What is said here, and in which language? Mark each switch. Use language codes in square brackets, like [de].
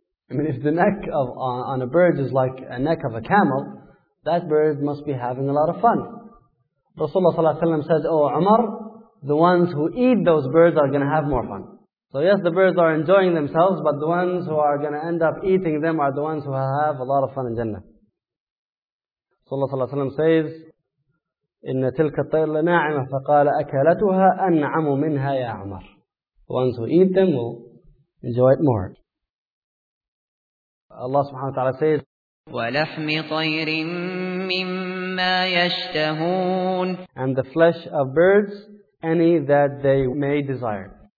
[en] I mean, if the neck of on a bird is like a neck of a camel, that bird must be having a lot of fun. Rasulullah ﷺ said, oh Umar, the ones who eat those birds are going to have more fun. So yes, the birds are enjoying themselves, but the ones who are going to end up eating them are the ones who have a lot of fun in Jannah. Rasulullah ﷺ says, [ar] إن تلك الطير لناعمة فقال أكلتها أنعم منها يا عمر. [en] The ones who eat them will enjoy it more. Allah subhanahu wa ta'ala says, [ar] ولحم طير مما يشتهون. [en] And the flesh of birds, any that they may desire.